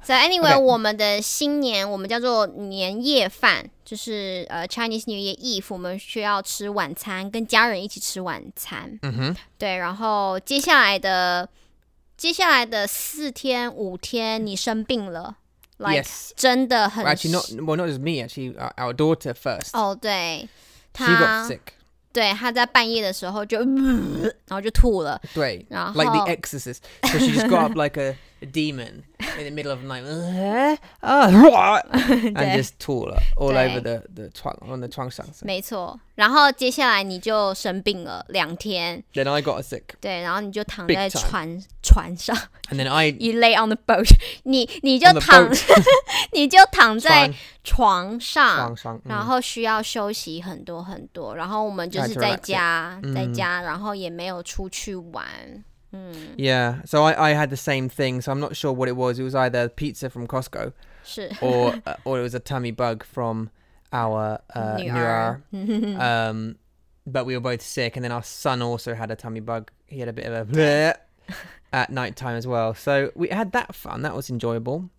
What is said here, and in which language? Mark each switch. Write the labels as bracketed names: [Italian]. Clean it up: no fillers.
[English] So anyway, [Chinese] 我们的新年，我们叫做年夜饭，就是 [English] Chinese New Year Eve, [Chinese] 我们需要吃晚餐，跟家人一起吃晚餐。嗯哼。对，然后接下来的四天五天，你生病了。 [English] Like, yes. [Chinese] 真的很 [English] well, actually, not just me, actually, our daughter first. [Chinese] Oh, 对, [English] she got sick. [Chinese] 对, 她在半夜的时候就 然后就吐了。对, 然后, [English] like the exorcist. So she just got up like a demon in the middle of the night. and just [Chinese] 吐了 [English] all over the 床, on the 床上。 [Chinese] 没错。然后接下来你就生病了两天。 [English] Then I got sick. [Chinese] 对，然后你就躺在船上。 [English] And then I you lay on the boat. [Chinese] 你就躺你就躺在床上。床上。然后需要休息很多很多。然后我们就是在家 在家，然后也没有出去玩。 [English] Yeah, so I had the same thing, so I'm not sure what it was. It was either pizza from Costco or it was a tummy bug from our Nuar. but we were both sick, and then our son also had a tummy bug. He had a bit of a bleh at night time as well. So we had that fun. That was enjoyable.